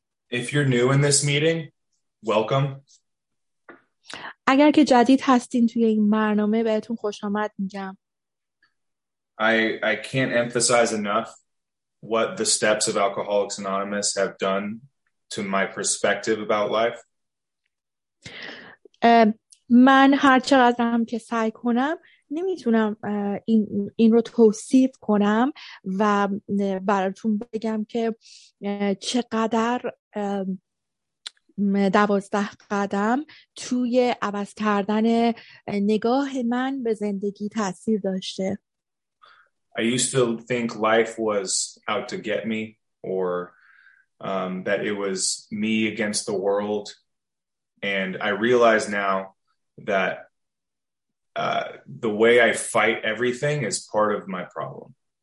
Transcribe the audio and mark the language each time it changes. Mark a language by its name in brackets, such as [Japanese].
[English] If you're new in this meeting, welcome. [Persian] اگر که جدید هستین توی این برنامه، بهتون خوش آمد میگم. [English] I can't emphasize enough what the steps of Alcoholics Anonymous have done to my perspective about life. [Persian] من هر چقدر هم که سعی کنم نمیتونم این رو توصیف کنم و براتون بگم که چقدر 12 قدم توی عوض کردن نگاه من به زندگی تأثیر داشته. [English] I used to think life was out to get me, or that it was me against the world, and I realize now that the way I fight everything is part of my problem.